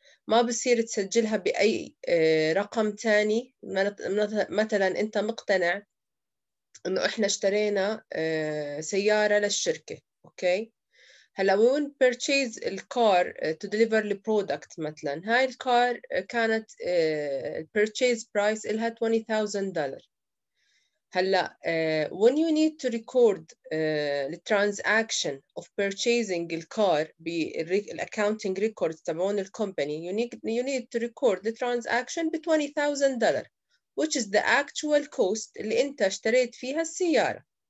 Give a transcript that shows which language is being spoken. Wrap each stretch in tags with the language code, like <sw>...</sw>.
<ar>ما بصير تسجلها بأي رقم تاني. مثلا أنت مقتنع إنه إحنا اشترينا سيارة للشركة، أوكي؟ okay.</ar> <en>هلا we won't purchase the car to deliver the product مثلا.</en> <ar>هاي الكار كانت purchase price إلها $20,000.</ar> <en>هلا when you need to record the transaction of purchasing the car بالaccounting records تبعون the company, you need to record the transaction ب$20,000, which is the actual cost</en> <ar>اللي أنت اشتريت فيها السيارة.</ar>